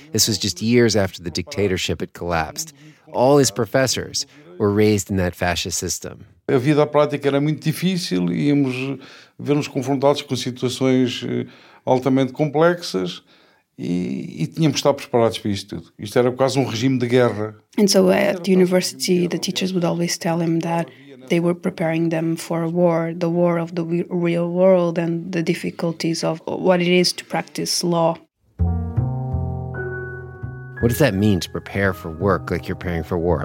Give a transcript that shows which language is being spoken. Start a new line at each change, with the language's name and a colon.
English: This was just years after the dictatorship had collapsed. All his professors were raised in that fascist system.
Portuguese: A vida prática era muito difícil e íamos ver-nos confrontados com situações altamente complexas e tínhamos de estar preparados para isto tudo. Isto era quase regime de guerra.
English: And so at the university, the teachers would always tell him that they were preparing them for a war, the war of the real world and the difficulties of what it is to practice law. What does that mean to prepare for work like you're preparing for war?